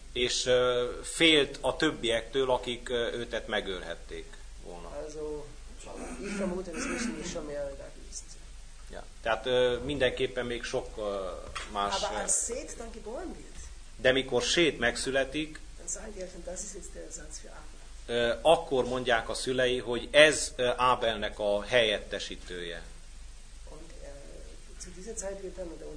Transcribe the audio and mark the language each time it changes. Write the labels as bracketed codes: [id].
[hu] És félt a többiektől, akik őtet megölhették volna. [de] Also, ich vermute, es müssen nicht schon mehrere da gewesen sein. [hu] Ja, tehát mindenképpen még sok más. [de] Aber als Seth dann geboren wird, [hu] de mikor Seth megszületik, [de] dann sagen die Eltern, das ist jetzt der Ersatz für Abel. [hu] Akkor mondják a szülei, hogy ez Ábelnek a helyettesítője. [de] Und zu dieser Zeit wird dann